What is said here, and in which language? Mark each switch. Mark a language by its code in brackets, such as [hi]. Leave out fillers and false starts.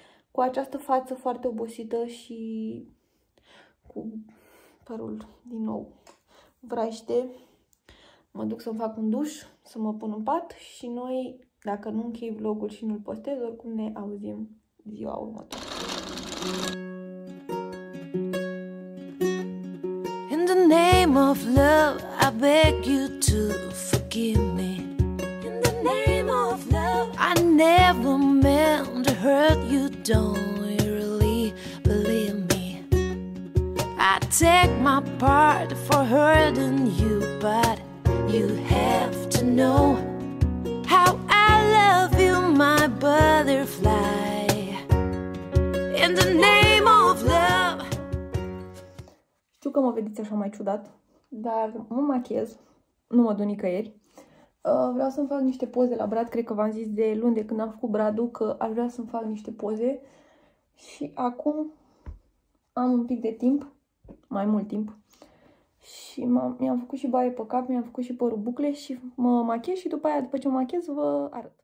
[ro] Cu această față foarte obosită și cu părul din nou vraiște, mă duc să-mi fac un duș, să mă pun în pat și noi, dacă nu închei vlogul și nu-l postez, oricum ne auzim ziua următoare. [en] In the name of love, I beg you to forgive me. In the name of love, I never meant to hurt you, don't you really believe me? I take my part for hurting you, but you have to know how I love you, my butterfly. In the name of love. [ro] Știu că mă vedeți așa mai ciudat, dar mă machiez, nu mă duc nicăieri. Vreau să-mi fac niște poze la brad, cred că v-am zis de luni de când am făcut bradul că aș vrea să-mi fac niște poze și acum am un pic de timp, mai mult timp, și mi-am făcut și baie pe cap, mi-am făcut și părul bucle și mă machiez și după aia, după ce mă machiez, vă arăt.